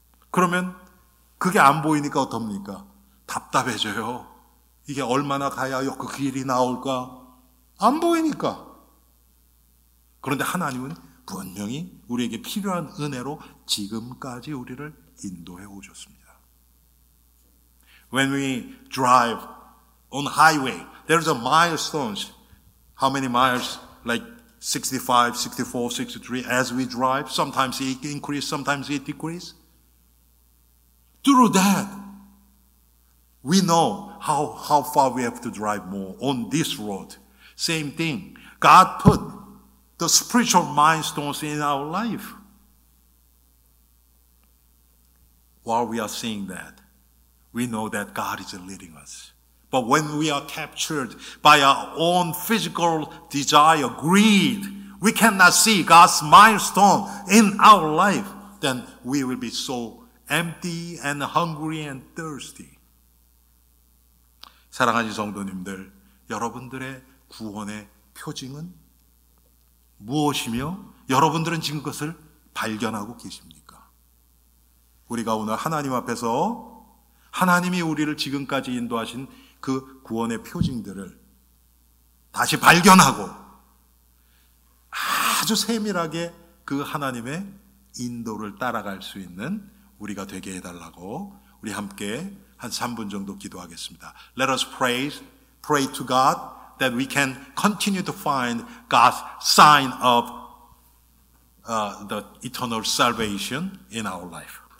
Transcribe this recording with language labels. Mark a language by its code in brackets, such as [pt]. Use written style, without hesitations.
[ko] 그러면 그게 안 보이니까 어떻습니까? 답답해져요. 이게 얼마나 가야 그 길이 나올까? 안 보이니까. 그런데 하나님은 분명히 우리에게 필요한 은혜로 지금까지 우리를 인도해 오셨습니다. [en] When we drive on highway, there's a milestone. How many miles? Like 65, 64, 63 as we drive. Sometimes it increases, sometimes it decreases. Through that, we know how far we have to drive more on this road. Same thing. God put the spiritual milestones in our life. While we are seeing that, we know that God is leading us. But when we are captured by our own physical desire, greed, we cannot see God's milestone in our life, then we will be so empty and hungry and thirsty. [ko] 사랑하는 성도님들, 여러분들의 구원의 표징은 무엇이며 여러분들은 지금 그것을 발견하고 계십니까? 우리가 오늘 하나님 앞에서 하나님이 우리를 지금까지 인도하신 그 구원의 표징들을 다시 발견하고 아주 세밀하게 그 하나님의 인도를 따라갈 수 있는 우리가 되게 해달라고 우리 함께 한 3분 정도 기도하겠습니다. [en] Let us pray to God that we can continue to find God's sign of the eternal salvation in our life.